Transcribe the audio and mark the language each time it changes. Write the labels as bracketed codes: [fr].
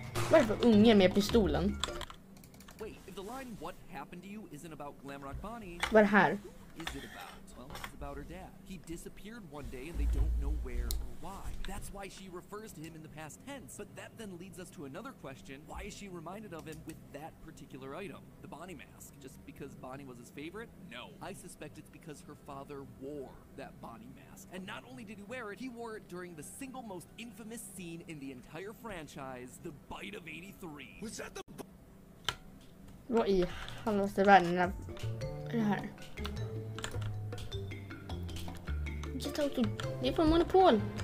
[sv] Vad är det för unge med pistolen? [en] What happened to you isn't about Glamrock Bonnie. What her? Is it about? Well, it's about her dad. He disappeared one day and they don't know where or why. That's why she refers to him in the past tense. But that then leads us to another question. Why is she reminded of him with that particular item? The Bonnie mask. Just because Bonnie was his favorite? No. I suspect it's because her father wore that Bonnie mask. And not only did he wear it, he wore it during the single most infamous scene in the entire franchise, the Bite of 83. Was that the... [sv] Vad i halvaste världen är det här? [en] Get out of... [sv] Det är från Monopol!